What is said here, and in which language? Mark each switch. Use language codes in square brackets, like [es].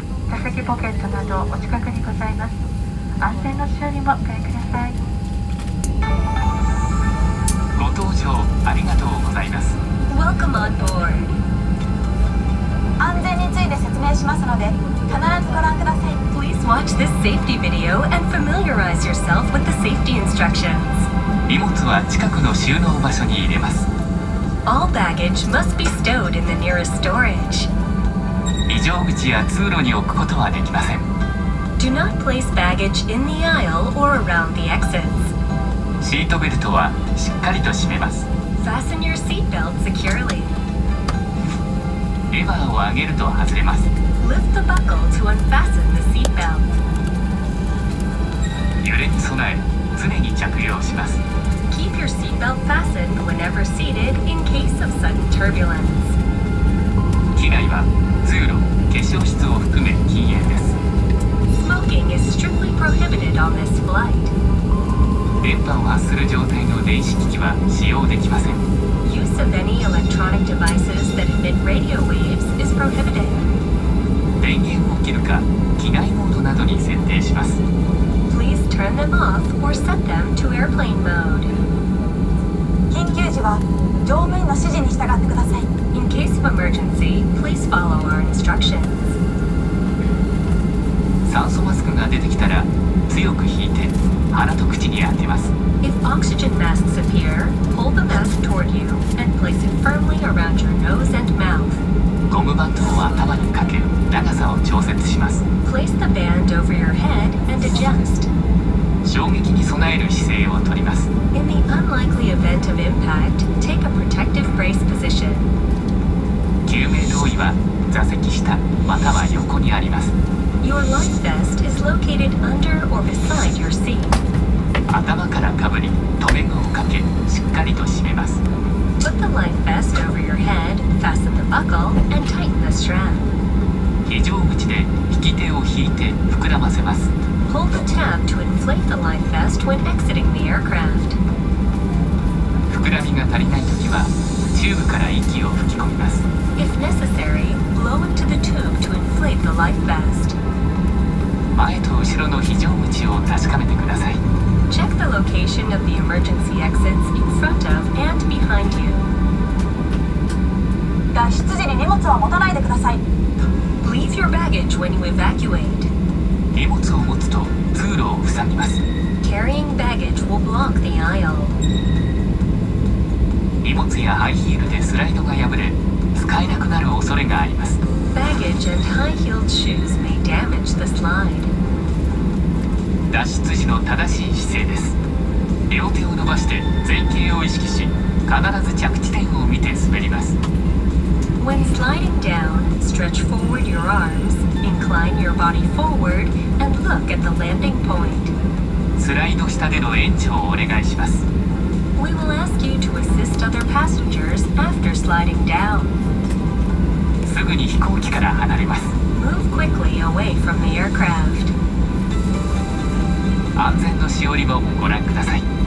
[ja] 座席ポケットなどお近くにございます。安全の修理もご覧ください。ご搭乗ありがとうございます。 [en] Welcome on board. [ja] 安全について説明しますので必ずご覧ください。 [en] Please watch this safety video and familiarize yourself with the safety instructions. [ja] 荷物は近くの収納場所に入れます。 [en] All baggage must be stowed in the nearest storage. [ja] 非常口や通路に置くことはできません。 [en] Do not place baggage in the aisle or around the exits. [ja] シートベルトはしっかりと締めます。 [en] Fasten your seat belt securely. [ja] レバーを上げると外れます。 [en] Lift the buckle to unfasten the seat belt. [ja] 揺れに備え常に着用します。 [en] Keep your seat belt fastened whenever seated in case of sudden turbulence. [ja] 機内は通路、化粧室を含め禁煙です。 [en] Smoking is strictly prohibited on this flight. [ja] 電波を発する状態の電子機器は使用できません。 [en] Use of any electronic devices that emit radio waves is prohibited. [ja] 電源を切るか、機内モードなどに設定します。 [en] Please turn them off or set them to airplane mode. [ja] 緊急時は乗務員の指示に従ってください。 [en] In case of emergency, please follow our instructions. [ja] 酸素マスクが出てきたら、強く引いて鼻と口に当てます。 [en] If oxygen masks appear, pull the mask toward you and place it firmly around your nose and mouth. [ja] ゴムバンドを頭にかけ、長さを調節します。 [en] Place the band over your head and adjust. [ja] 衝撃に備える姿勢をとります。 [en] In the unlikely event of impact, take a protective brace position. [ja] 救命胴衣は座席下または横にあります。 [en] Your life vest is located under or beside your seat. [ja] 頭からかぶり、留め具をかけ、しっかりと締めます。 [en] Put the life vest over your head, fasten the buckle, and tighten the strap. [ja] 非常口で引き手を引いて膨らませます。 [en] Pull the tab to inflate the life vest when exiting the aircraft. [ja] 膨らみが足りないときは、チューブから息を吹き込みます。 [en] If necessary, blow into the tube to inflate the life vest. [ja] 前と後ろの非常口を確かめてください。 [en] Check the location of the emergency exits in front of and behind you. [ja] 脱出時に荷物は持たないでください。 [en] Leave your baggage when you evacuate. [ja] 荷物を持つと通路を塞ぎます。 [en] Carrying baggage will block the aisle. [ja] 荷物やハイヒールでスライドが破れ、使えなくなる恐れがあります。 [en] Baggage and high-heeled shoes may damage the slide. [ja] 脱出時の正しい姿勢です。両手を伸ばして前傾を意識し、必ず着地点を見て滑ります。 [en] When sliding down, stretch forward your arms, incline your body forward, and look at the landing point. [ja] スライド下での援助をお願いします。 [en] We will ask you to assist other passengers after sliding down. [ja] すぐに飛行機から離れます。 [en] Move quickly away from the aircraft. [ja] 安全のしおりもご覧ください。